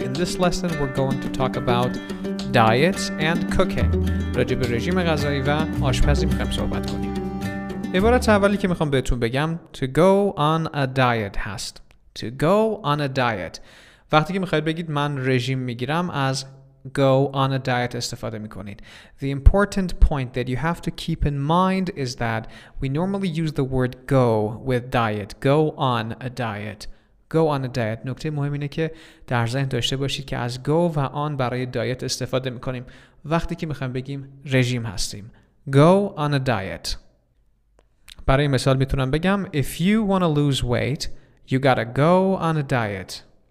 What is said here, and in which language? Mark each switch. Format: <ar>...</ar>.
<en>In this lesson we're going to talk about diets and cooking.</en> <fa>راجع به رژیم غذایی و آشپزی میخوایم صحبت کنیم. عبارت اولی که میخوام بهتون بگم</fa> <en>to go on a diet</en> <fa>هست.</fa> <en>To go on a diet.</en> <fa>وقتی که میخواید بگید من رژیم میگیرم از</fa> <en>go on a diet</en> <fa>استفاده میکنید.</fa> <en>The important point that you have to keep in mind is that we normally use the word go with diet. Go on a diet. Go on a diet.</en> <fa>نکته مهم اینه که در ذهن داشته باشید که از go و on برای دایت استفاده میکنیم وقتی که میخوایم بگیم رژیم هستیم.</fa> <en>Go on a diet.</en> <fa>برای مثال میتونم بگم</fa> <en>if you want to lose weight, you gotta go on a diet.</en>